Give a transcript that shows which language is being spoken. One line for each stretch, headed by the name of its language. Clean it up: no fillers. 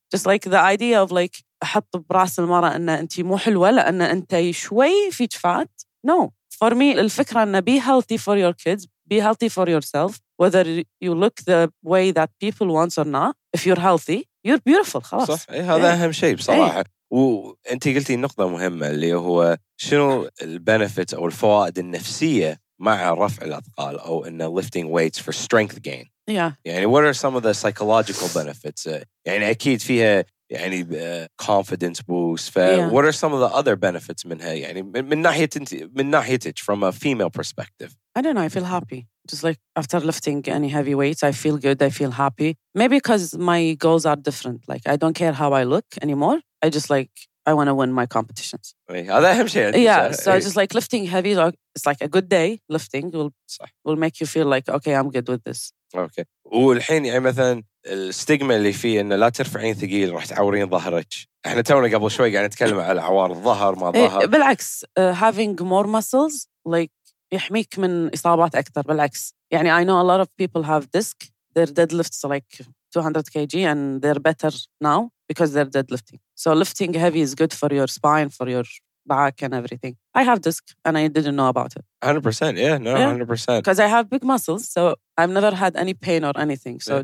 English: Just like the idea of like
Arabic: أحط برأس المرأة أن أنت مو حلوة لأن أنت شوي في جفات.
English: No. For me,
Arabic: الفكرة أن
English: be healthy for your kids, be healthy for yourself, whether you look the way that people want or not. If you're healthy, you're beautiful.
Arabic: خلاص. صح. إيه هذا إيه. أهم شيء بصراحة. إيه. وأنت قلتي نقطة مهمة اللي هو شنو البنفيت أو الفوائد النفسية مع رفع الأثقال أو أن
English: lifting weights for strength gain. Yeah.
Arabic: يعني
English: what are some of the psychological benefits?
Arabic: يعني أكيد فيها يعني
English: confidence boost. What are some of the other benefits
Arabic: منها يعني من ناحيتك
English: from a female perspective? I don't know. I feel happy. Just like after lifting any heavy weights, I feel good. I feel happy. Maybe because my goals are different. Like I don't care how I look anymore. I just like I want to win my competitions.
Arabic: هذا أهم شيء.
English: Yeah. So just like lifting heavy, it's like a good day. Lifting will make you feel like okay, I'm good with this. Okay.
Arabic: والحين يعني مثلاً الستيغما اللي فيه إنه لا ترفعين ثقيل راح تعورين ظهرك. إحنا تونا قبل شوي قاعد نتكلم على عوار الظهر ما ظهر. بالعكس
English: having more muscles like
Arabic: يحميك من إصابات أكثر بالعكس. يعني
English: I know a lot of people have disc. Their deadlifts like 200 kg and they're better now because they're deadlifting. So lifting heavy is good for your spine, for your back and everything. I have disc and I didn't know about it. 100%, yeah, no, yeah. 100%. Because I have big muscles, so I've never had any pain or anything. So yeah.